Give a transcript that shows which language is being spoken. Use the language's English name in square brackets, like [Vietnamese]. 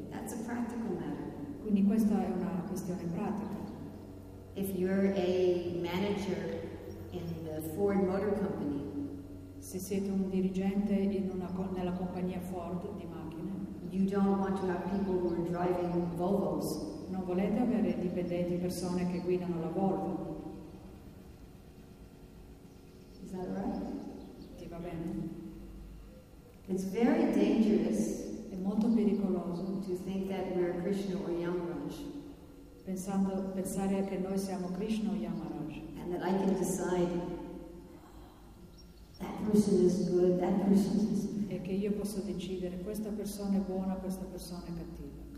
[English] That's a practical matter. [Italian] Quindi questa è una questione pratica. [English] If you're a manager in the Ford Motor Company, [Italian] se siete un dirigente in nella compagnia Ford di macchine, [English] you don't want to have people who are driving Volvos. [Italian] Non volete avere dipendenti, persone che guidano la Volvo. [English] Is that right? [Italian] Ti va bene? [English] It's very dangerous. [Italian] È molto pericoloso [English] to think that we're Krishna or Yamaraj. [Italian] Pensare che noi siamo Krishna o Yamaraj. [English] And that I can decide that person is good, that person is bad. [Italian] E che io posso decidere questa persona è buona, questa persona è cattiva.